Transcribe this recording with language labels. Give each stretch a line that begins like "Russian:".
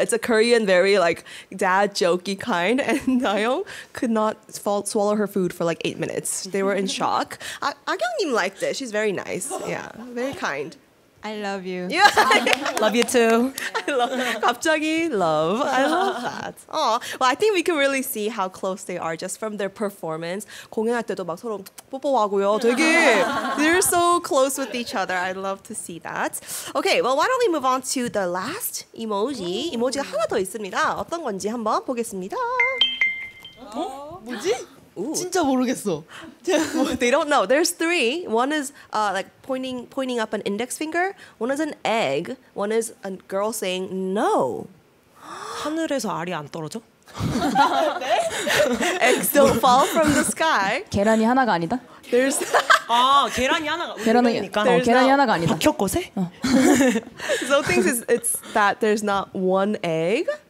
English: It's a Korean very like dad jokey kind. And Naeong could not swallow her food for like 8 minutes. They were in shock. Ah-kyung-nim liked it. She's very nice. Yeah, very kind. I love you. Yeah. Love you too. I love.
Korean: 갑자기
English: love. I love that. Oh, well, I think we can really see how close they are just from their performance.
Korean: 공연할 때도 막 서로 뽀뽀하고요.
English: 되게 they're so close with each other. I love to see that. Okay, well, why don't we move on to the last emoji?
Korean: 이모지가 하나 더 있습니다. 어떤 건지 한번 보겠습니다. 어? 뭐지? 진짜 모르겠어.
English: They don't know. There's three. One is like pointing up an index finger. One is an egg. One is a girl saying no.
Korean: 하늘에서 알이 안 떨어져?
English: 네? Eggs don't fall from the sky.
Korean: 계란이 하나가 아니다.
English: There's
Korean: 아 계란이 하나가 계란이니까 어, 계란이 하나가 아니다. 박혀 것에?
English: So things is it's that there's not one egg.